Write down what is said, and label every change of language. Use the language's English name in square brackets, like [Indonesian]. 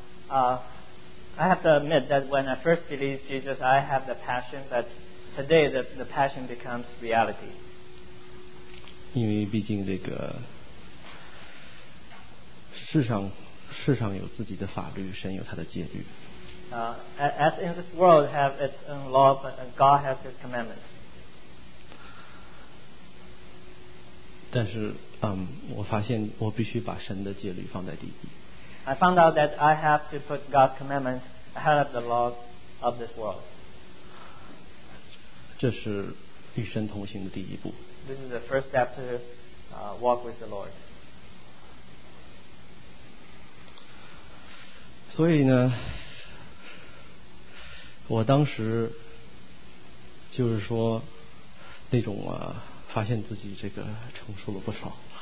[English] I have to admit that when I first believed Jesus, I have the passion, but today the passion becomes reality. [Chinese] 因为毕竟这个世上有自己的法律，神有他的戒律。 [English] As in this world have its own law, but God has his commandments. [Chinese] 但是我发现我必须把神的戒律放在第一。 [English] I found out that I have to put God's commandments ahead of the laws of this world. [Chinese] 这是与神同行的第一步。 [English] This is the first step to walk with the Lord. [Chinese] 所以呢，我当时就是说那种发现自己这个成熟了不少。